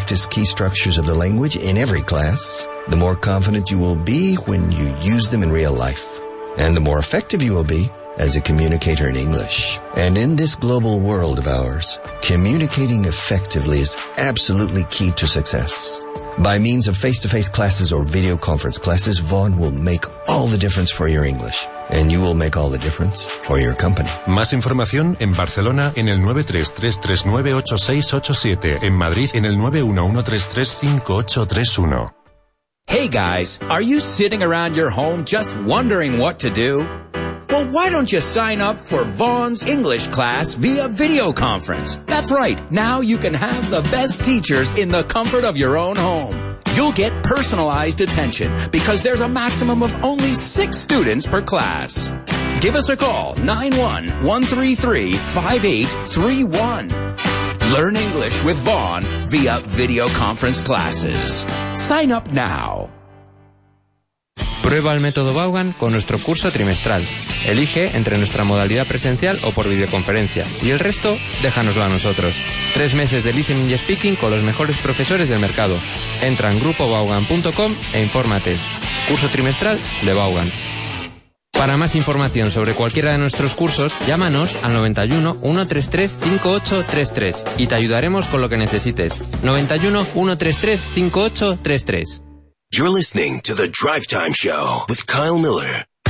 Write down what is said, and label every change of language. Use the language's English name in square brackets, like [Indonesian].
[English] practice key structures of the language in every class, the more confident you will be when you use them in real life, and the more effective you will be as a communicator in English. And in this global world of ours, communicating effectively is absolutely key to success. By means of face-to-face classes or video conference classes, Vaughn will make all the difference for your English. And you will make all the difference for your company. [Spanish] Más información en Barcelona en el 933398687. En Madrid en el 911335831. [English] Hey guys, are you sitting around your home just wondering what to do? Well, why don't you sign up for Vaughn's English class via video conference? That's right. Now you can have the best teachers in the comfort of your own home. You'll get personalized attention because there's a maximum of only 6 students per class. Give us a call, 91-133-5831. Learn English with Vaughn via video conference classes. Sign up now. [Spanish] Prueba el método Vaughan con nuestro curso trimestral. Elige entre nuestra modalidad presencial o por videoconferencia. Y el resto, déjanoslo a nosotros. 3 meses de listening y speaking con los mejores profesores del mercado. Entra en grupovaughan.com e infórmate. Curso trimestral de Vaughan. Para más información sobre cualquiera de nuestros cursos, llámanos al 91-133-5833 y te ayudaremos con lo que necesites. 91-133-5833. [English] You're listening to The Drive Time Show with Kyle Miller.